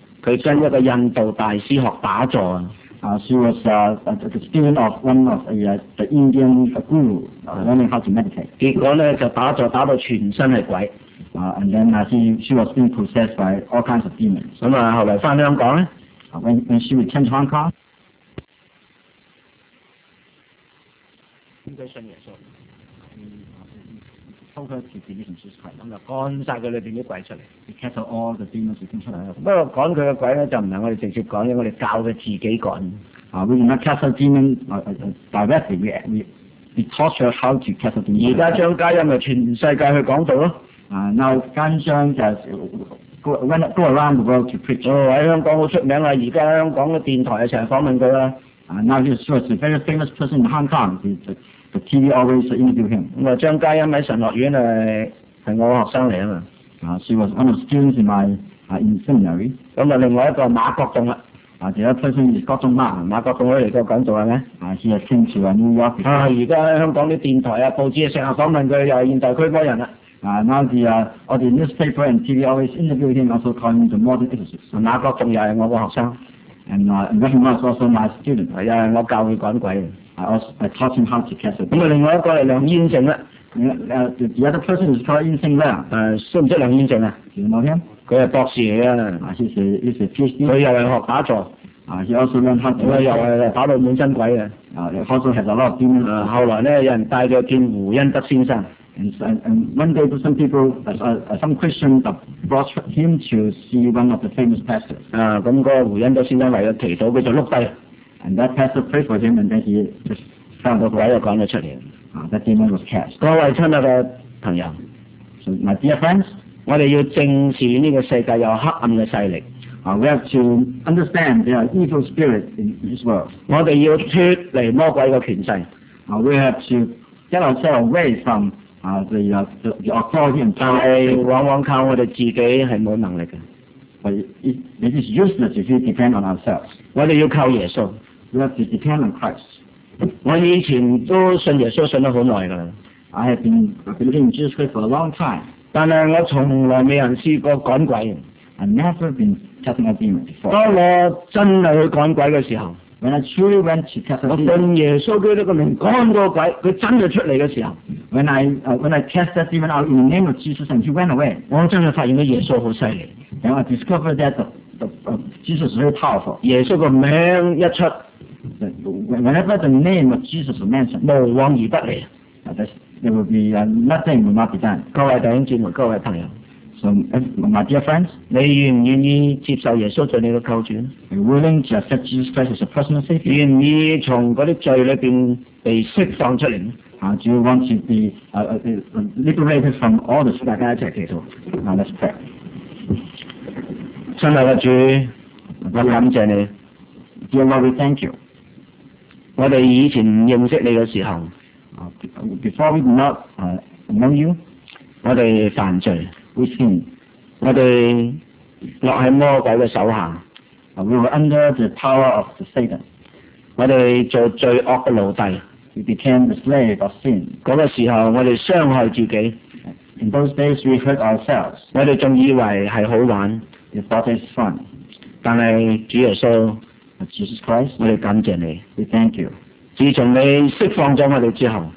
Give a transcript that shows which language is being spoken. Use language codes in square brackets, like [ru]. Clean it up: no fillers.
[yue] 佢跟一個印度大師學打坐。 [en] She was the student of one of the Indian guru learning how to meditate。 [yue] 結果咧就打坐打到全身係鬼。 [en] And then she was being possessed by all kinds of demons。 [yue] 咁啊，後來翻香港咧。 [en] When she returned to Hong Kong。 [yue] 應該信耶穌，嗯，通佢自己啲神術，咁就趕曬佢裏邊啲鬼出嚟。 [en] He cast out all the demons that came [yue] 出嚟。不過趕佢嘅鬼咧，就唔係我哋直接趕，因為我哋教佢自己趕。 [en] We do not cast out demons directly. We taught her how to cast out demons. [yue] 而家張嘉欣咪全世界去講道咯。 [en] Now 嘉欣就 go around the world to preach。 [yue] 喺香港好出名啊！而家香港嘅電台成日訪問佢啦。 [en] Now he is a very famous person in Hong Kong. The TV always interview him. [yue] 咁啊，張嘉欣喺神學院係我學生嚟啊嘛。 [en] She was one of the students in my seminary. [yue] 咁啊，另外一個馬國棟啦。 [en] The other person is 國棟啦。 [yue] 馬國棟都嚟過講座嘅咩？ [en] He has come to New York. [yue] 而家香港啲電台啊、報紙啊，成日訪問佢，又係現代區波人啦。 [en] Now the newspaper and TV always interview him, also call him the modern exorcist. [yue] 馬國棟又係我個學生。 [en] And Reverend Mark is also my student. [yue] 係啊，我教佢趕鬼。 [en] I taught him how to cast out. [yue] 咁啊，另外一個係梁燕成啦。 [en] The other person is called 燕成啦。 [yue] 識唔識梁燕成啊？有冇聽？佢係博士嚟啊。 [en] He's a PhD. [yue] 佢又係學打坐。 [en] He also learned how to cast out. [yue] 佢又係打到滿身鬼啊。 [en] Also has a lot of demons. [yue] 後來咧，有人帶佢見胡恩德先生。 [en] And one day, some people, some Christians brought him to see one of the famous pastors. [yue] 咁個胡恩德先生為咗祈禱，佢就碌低。 [en] And that pastor prayed for him, and then he just found out why he got out. That demon was cast. [yue] 各位親愛嘅朋友 [en] ，So my dear friends, [yue] 我哋要正視呢個世界有黑暗嘅勢力。 [en] We have to understand there are evil spirits in this world. [yue] 我哋要脱離魔鬼嘅權勢。 [en] We have to get ourselves away from the authority and power. [yue] 往往靠我哋自己係冇能力嘅。 [en] It is useless if we depend on ourselves. [yue] 我哋要靠耶穌。 [en] We have to depend on Christ. [yue] 我以前都信耶穌信得好耐㗎啦。 [en] I have been believing Jesus Christ for a long time. [yue] 但係我從來未人試過趕鬼。 [en] I've never been casting a demon before. [yue] 當我真係去趕鬼嘅時候。 [en] When I truly went to cast out demons, [yue] 我信耶穌基督嘅名趕過鬼，佢真就出嚟嘅時候。 [en] When I cast that demon out in the name of Jesus and he went away, [yue] 我真係發現咗耶穌好犀利。 [en] And I discovered that Jesus is very powerful. [yue] 耶穌個名一出 [en] ，whenever the name of Jesus is mentioned, [yue] 無往而不利。 [en] There will be nothing will not be done. [yue] 各位弟兄姊妹，各位朋友。 [en] So, my dear friends, [yue] 你愿唔愿意接受耶稣做你嘅救主 [en] ？Are you willing to accept Jesus Christ as a personal savior? [yue] 愿意从嗰啲罪里边被释放出嚟 [en] ？Do you want to be liberated from all the sin? [yue] 大家一齐祈祷。 [en] Let's pray. [yue] 亲爱嘅主，我感谢你。 [en] Dear Lord, we thank you. [yue] 我哋以前唔认识你嘅时候 [en] ，before we did not know you， [yue] 我哋犯罪。 [en] We sin. [yue] 我哋落喺魔鬼嘅手下。 [en] We were under the power of the Satan. [yue] 我哋做罪恶嘅奴隶。 [en] We became the slave of sin. [yue] 嗰个时候我哋伤害自己。 [en] In those days we hurt ourselves. [yue] 我哋仲以为系好玩。 [en] We thought it's fun. [yue] 但系主耶稣 [en] ，Jesus Christ， [yue] 我哋感谢你。 [en] We thank you. [yue] 自从你释放咗我哋之后